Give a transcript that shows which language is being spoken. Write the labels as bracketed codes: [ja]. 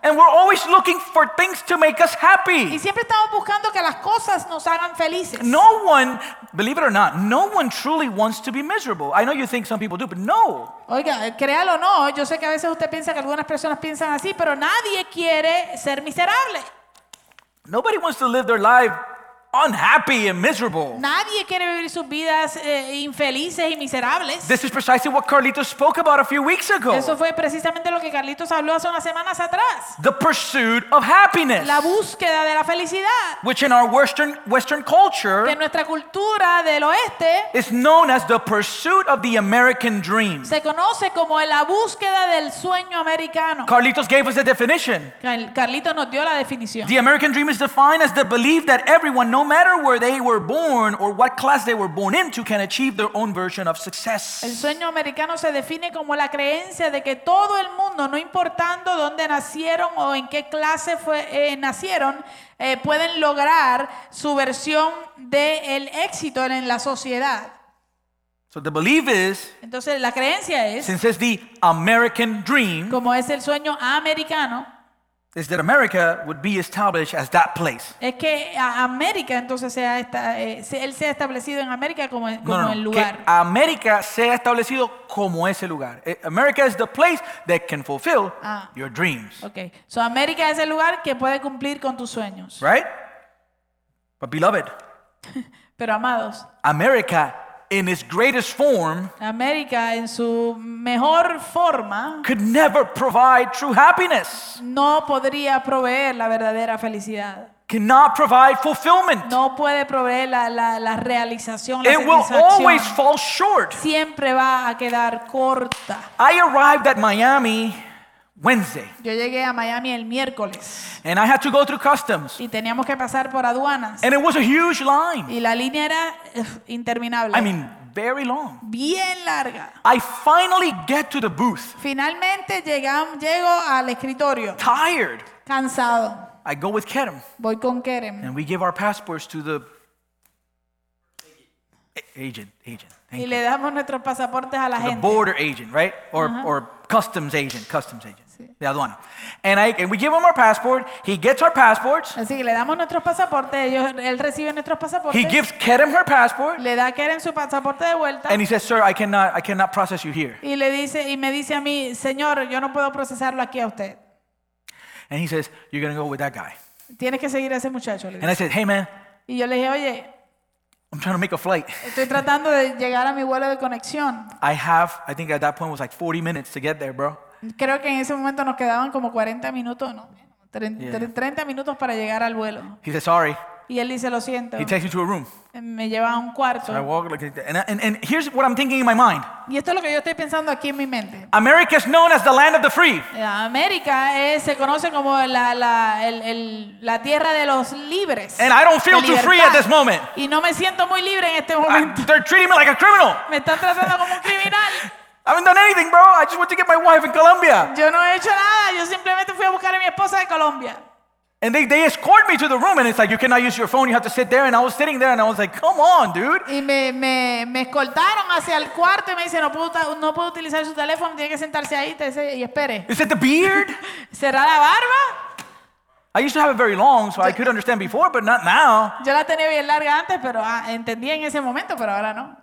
[en] And we're always looking for things to make us happy. [es] Y siempre estamos buscando que las cosas nos hagan felices. [en] No one, believe it or not, no one truly wants to be miserable. I know you think some people do, but no. [es] Oiga, créalo o no, yo sé que a veces usted piensa que algunas personas piensan así, pero nadie quiere ser miserable. [en] Nobody wants to live their life unhappy and miserable. [es] Nadie quiere vivir sus vidas infelices y miserables. [en] This is precisely what Carlitos spoke about a few weeks ago. [es] Eso fue precisamente lo que Carlitos habló hace unas semanas atrás. [en] The pursuit of happiness. [es] La búsqueda de la felicidad. [en] Which in our Western culture. [es] Que en nuestra cultura del oeste. [en] Is known as the pursuit of the American dream. [es] Se conoce como la búsqueda del sueño americano. [en] Carlitos gave us the definition. [es] Carlitos nos dio la definición. [en] The American dream is defined as the belief that everyone, no matter where they were born or what class they were born into, can achieve their own version of success. [es] El sueño americano se define como la creencia de que todo el mundo, no importando dónde nacieron o en qué clase fue, nacieron, pueden lograr su versión del éxito en la sociedad. [en] So the belief is, [es] entonces la creencia es, [en] since it's the American dream, [es] como es el sueño americano, [en] is that America would be established as that place. [es] Es que América entonces sea esta, él sea establecido en América como el lugar. No, que América sea establecido como ese lugar. [en] America is the place that can fulfill your dreams. Okay, so [es] América es el lugar que puede cumplir con tus sueños. [en] Right? But beloved, [es] pero amados, [en] America in its greatest form, [es] América en su mejor forma, [en] could never provide true happiness. [es] No podría proveer la verdadera felicidad. [en] Cannot provide fulfillment. [es] No puede proveer la realización, la [en] it will always fall short. [es] Siempre va a quedar corta. [en] I arrived at Miami Wednesday. [es] Yo llegué a Miami el miércoles. [en] And I had to go through customs. [es] Y teníamos que pasar por aduanas. [en] And it was a huge line. [es] Y la línea era interminable. [en] I mean, very long. [es] Bien larga. [en] I finally get to the booth. [es] Finalmente llego al escritorio. [en] Tired. [es] Cansado. [en] I go with Kerem. [es] Voy con Kerem. [en] And we give our passports to the agent. [es] Y le damos nuestros pasaportes a la gente. [en] The border agent, right? Or customs agent. [es] Sí. [en] The aduana. And we give him our passport. He gets our passports. [es] Así que le damos nuestros pasaportes. Él recibe nuestros pasaportes. [en] He gives Kerem her passport. [es] Le da Kerem su pasaporte de vuelta. [en] And he says, "Sir, I cannot process you here." [es] Y le dice y me dice a mí, "Señor, yo no puedo procesarlo aquí a usted." [en] And he says, "You're going to go with that guy." [es] Tienes que seguir a ese muchacho. [en] And I said, "Hey, man." [es] Y yo le dije, "Oye, [en] I'm trying to make a flight." [es] Estoy tratando de llegar a mi vuelo de conexión. [en] I think at that point it was like 40 minutes to get there, bro. [es] Creo que en ese momento nos quedaban como 40 minutos, ¿no? 30 minutos para llegar al vuelo. [en] He said, "Sorry." [es] Y él dice, "Lo siento." [en] He takes me to a room. [es] Me lleva a un cuarto. [en] So I walk like that. And here's what I'm thinking in my mind. [es] Y esto es lo que yo estoy pensando aquí en mi mente. [en] America is known as the land of the free. [es] América se conoce como la tierra de los libres. [en] And I don't feel too free at this moment. [es] Y no me siento muy libre en este momento. [en] They're treating me like a criminal. [es] Me están tratando como un criminal. [en] I haven't done anything, bro. I just went to get my wife in Colombia. [es] Yo no he hecho nada. Yo simplemente fui a buscar a mi esposa de Colombia. [en] And they escort me to the room, and it's like, "You cannot use your phone. You have to sit there." And I was sitting there, and I was like, "Come on, dude." [es] Y me escoltaron hacia el cuarto y me dice, no puedo utilizar su teléfono. Tiene que sentarse ahí y espere. [en] Is it the beard? [es] ¿Será la barba? [en] I used to have it very long, so I could understand before, but not now. [es] Yo la tenía bien larga antes, pero entendía en ese momento, pero ahora no.